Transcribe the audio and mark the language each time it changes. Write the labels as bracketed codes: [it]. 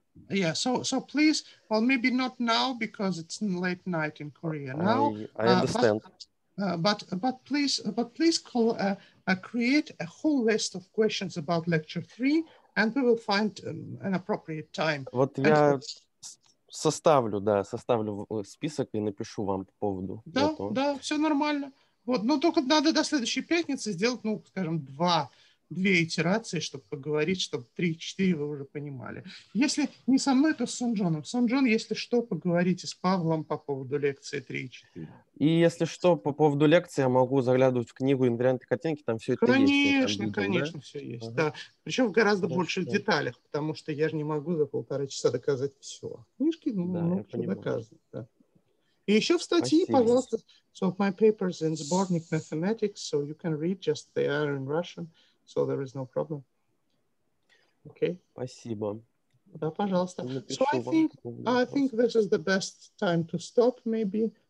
[en] Yeah, so please, well, maybe not now because it's late night in Korea now. I understand. But please create a whole list of questions about lecture 3, and we will find an appropriate time. [ru] Вот [en] and [ru] я составлю список и напишу вам по поводу да, этого. Да, все нормально. Вот, но только надо до следующей пятницы сделать, ну, скажем, две итерации, чтобы поговорить, чтобы 3-4 вы уже понимали. Если не со мной, то с Сонджоном. Сонджон, если что, поговорите с Павлом по поводу лекции 3-4. И если что, по поводу лекции я могу заглядывать в книгу «Инварианты картинки», там все конечно, это есть. Конечно, да? Все есть, ага. Да. Причем в гораздо хорошо, больших деталях, потому что я же не могу за полтора часа доказать все. Книжки, ну, да, много доказывать, да. И еще в статье, спасибо. Пожалуйста. [en] So my papers in сборник mathematics, so you can read just they are in Russian. So there is no problem. Okay. [ru] Спасибо. Да, пожалуйста. [en] So I think this is the best time to stop, maybe.